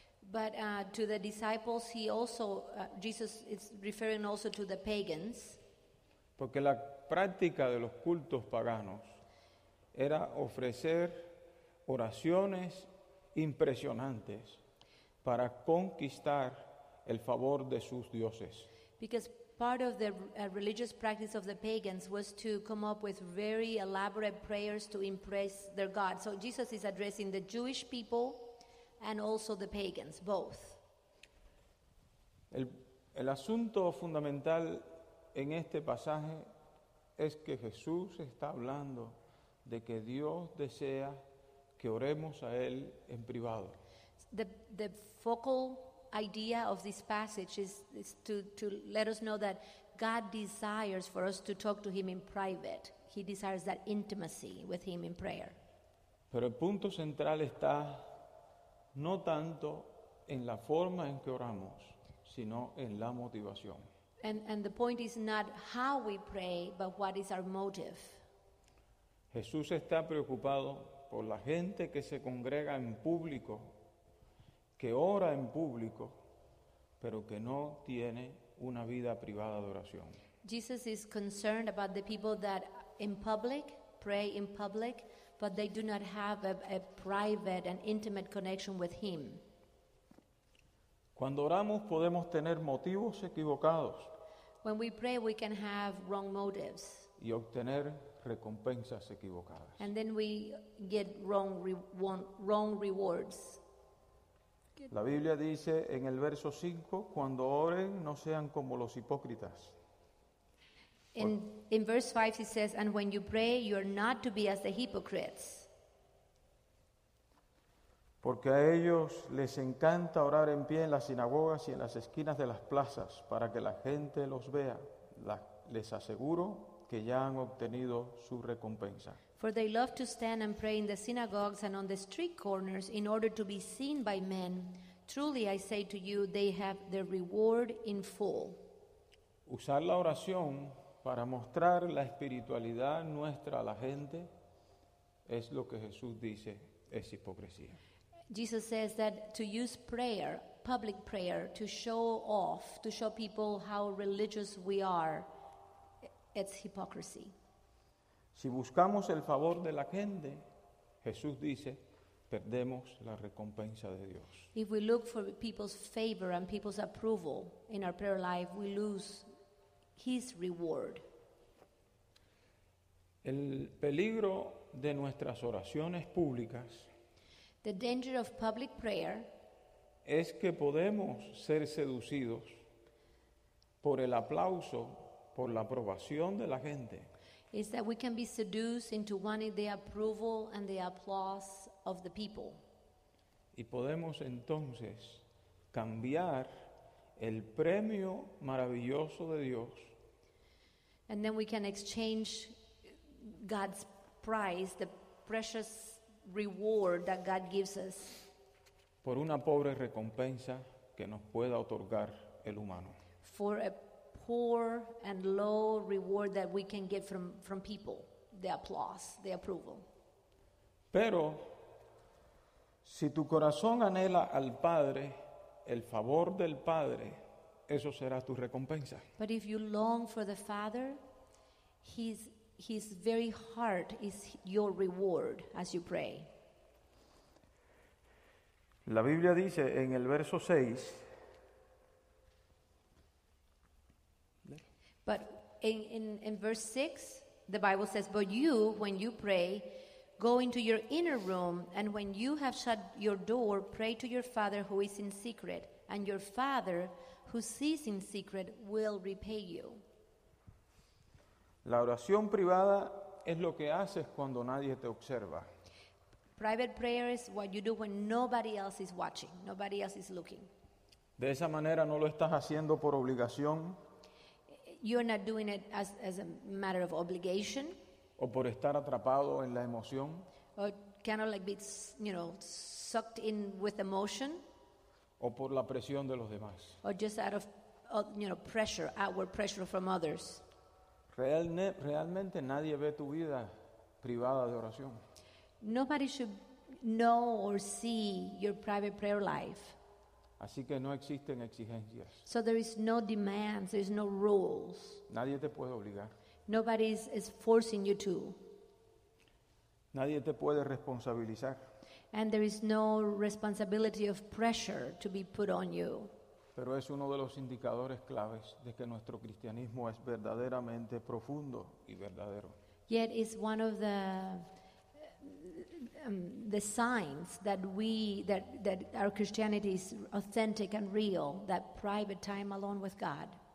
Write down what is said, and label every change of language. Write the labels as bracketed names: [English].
[English] But to the disciples, he also, Jesus is referring also to the pagans. [Spanish] Porque la práctica de los cultos paganos era ofrecer oraciones impresionantes para conquistar el favor de sus dioses. [English] Because part of the religious practice of the pagans was to come up with very elaborate prayers to impress their God. So Jesus is addressing the Jewish people and also the pagans, both. [Spanish] El asunto fundamental en este pasaje es que Jesús está hablando de que Dios desea que oremos a Él en privado. [English] The focal idea of this passage is to let us know that God desires for us to talk to Him in private. He desires that intimacy with Him in prayer. [Spanish] Pero el punto central está no tanto en la forma en que oramos, sino en la motivación. [English] And the point is not how we pray, but what is our motive. [Spanish] Jesús está preocupado por la gente que se congrega en público, que ora en público, pero que no tiene una vida privada de oración. [English] Jesus is concerned about the people that in public pray in public, but they do not have a private and intimate connection with Him. [Spanish] Cuando oramos podemos tener motivos equivocados. [English] When we pray, we can have wrong motives. [Spanish] Y obtener recompensas equivocadas. [English] And then we get wrong rewards. [Spanish] La Biblia dice en el verso 5, cuando oren, no sean como los hipócritas. [English] In verse 5 it says, and when you pray, you are not to be as the hypocrites. [Spanish] Porque a ellos les encanta orar en pie en las sinagogas y en las esquinas de las plazas para que la gente los vea. Les aseguro que ya han obtenido su recompensa. [English] For they love to stand and pray in the synagogues and on the street corners in order to be seen by men. Truly, I say to you, they have their reward in full. [Spanish] Usar la oración para mostrar la espiritualidad nuestra a la gente es lo que Jesús dice es hipocresía. [English] Jesus says that to use prayer, public prayer, to show off, to show people how religious we are, it's hypocrisy. [Spanish] Si buscamos el favor de la gente, Jesús dice, perdemos la recompensa de Dios. [English] If we look for people's favor and people's approval in our prayer life, we lose His reward. [Spanish] El peligro de nuestras oraciones públicas, [English] the danger of public prayer, [Spanish] es que podemos ser seducidos por el aplauso, por la aprobación de la gente. [English] Is that we can be seduced into wanting the approval and the applause of the people. [Spanish] Y podemos entonces cambiar el premio maravilloso de Dios. [English] And then we can exchange God's prize, the precious reward that God gives us, [Spanish] por una pobre recompensa que nos pueda otorgar el humano. [English] For a poor and low reward that we can get from people, the applause, the approval. [Spanish] Pero si tu corazón anhela al Padre, el favor del Padre, eso será tu recompensa. [English] But if you long for the Father, His very heart is your reward as you pray. [Spanish] La Biblia dice en el verso 6. [English] But in verse 6, the Bible says, but you, when you pray, go into your inner room, and when you have shut your door, pray to your Father who is in secret, and your Father who sees in secret will repay you. [Spanish] La oración privada es lo que haces cuando nadie te observa. [English] Private prayer is what you do when nobody else is watching, nobody else is looking. [Spanish] De esa manera no lo estás haciendo por obligación. [English] You're not doing it as a matter of obligation. [Spanish] O por estar atrapado en la emoción. [English] Or kind of like being, you know, sucked in with emotion. [Spanish] O por la presión de los demás. [English] Or just out of, you know, pressure, outward pressure from others. [Spanish] Realmente nadie ve tu vida privada de oración. [English] Nobody should know or see your private prayer life. [Spanish] Así que no existen exigencias. [English] So there is no demands, there is no rules. [Spanish] Nadie te puede obligar. [English] Nobody is forcing you to. [Spanish] Nadie te puede responsabilizar. [English] And there is no responsibility of pressure to be put on you. [Spanish] Pero es uno de los indicadores claves de que nuestro cristianismo es verdaderamente profundo y verdadero. [English] Yet it's one of the signs that we that our Christianity is authentic and real, that private time alone with God.